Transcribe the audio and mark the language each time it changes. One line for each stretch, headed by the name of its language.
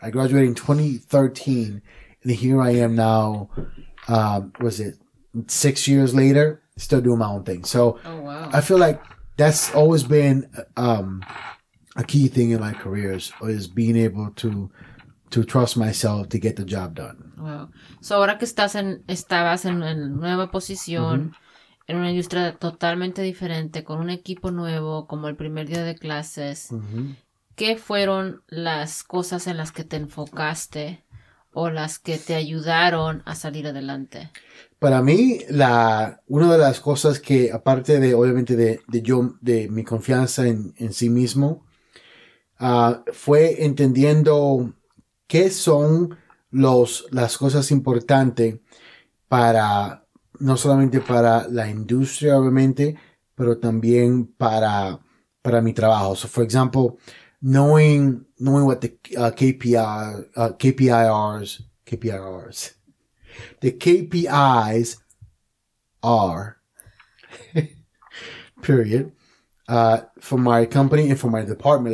English: I graduated in 2013, and here I am now, 6 years later, still doing my own thing. So I feel like that's always been a key thing in my careers, is being able to trust myself to get the job done. Wow.
Spanish: So ahora que estabas en nueva posición, mm-hmm. en una industria totalmente diferente, con un equipo nuevo, como el primer día de clases, uh-huh. ¿qué fueron las cosas en las que te enfocaste o las que te ayudaron a salir adelante? Para mí, una de las cosas que, aparte de, obviamente, de mi confianza en sí mismo, fue entendiendo qué son las cosas importantes para... no solamente para la industria, obviamente, pero también para mi trabajo.
English: So, for example, knowing what the KPIs are, period, for my company and for my department.